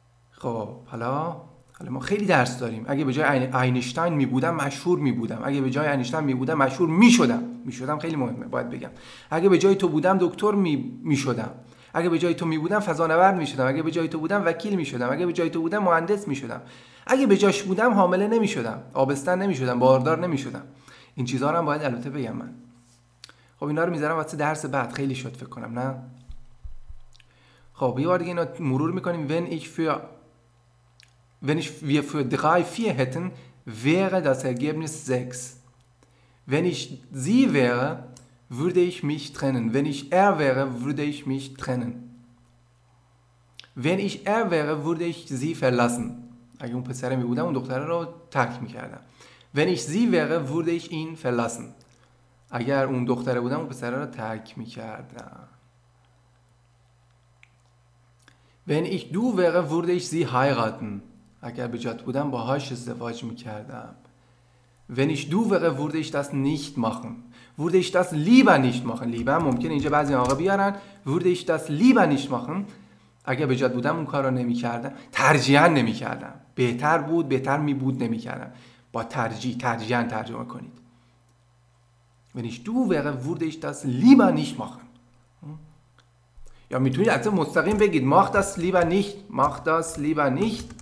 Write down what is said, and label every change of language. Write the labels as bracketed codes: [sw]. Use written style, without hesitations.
[fa] خب حالا ما خیلی درس داریم. اگه به جای اینشتین میبودم مشهور میبودم، اگه به جای اینشتین میبودم مشهور میشدم خیلی مهمه باید بگم، اگه به جای تو بودم دکتر میشدم، اگه به جای تو میبودم فضانورد میشدم، اگه به جای تو بودم وکیل میشدم، اگه به جای تو بودم مهندس میشدم، اگه به جاش بودم حامله نمیشدم، آبستن نمیشدم، باردار نمیشدم. این چیزا رو هم باید البته بگم من. خب اینا رو میذارم واسه درس بعد، خیلی شد فکر کنم نه. خب یه بار دیگه اینا مرور میکنیم. [de] wenn ich für drei vier hätten wäre das ergebnis 6. wenn ich sie wäre würde ich mich trennen. wenn ich er wäre würde ich mich trennen. wenn ich er wäre würde ich sie verlassen. [fa] اگه اون پسر می بودم اون دختره رو ترک میکردم. [de] wenn ich sie wäre würde ich ihn verlassen. [fa] اگر اون دختره بودم اون پسره رو ترک میکردم. [de] wenn ich du wäre würde ich sie heiraten. [fa] اگر به جات بودم باهاش ازدواج میکردم. [de] wenn ich du wäre würde ich das nicht machen. würde ich das lieber nicht machen. lieber [fa] ممکن اینجا بعضی آقا بیارن [de] würde ich das lieber nicht machen. [fa] اگر به جات بودم اون کار رو نمیکردم، ترجیحاً نمیکردم، بهتر بود، بهتر میبود نمیکردم. با ترجیحاً ترجمه کنید. [de] wenn ich du wäre würde ich das lieber nicht machen. [fa] یا میتونید اصلا مستقیم بگید [de] mach das lieber nicht.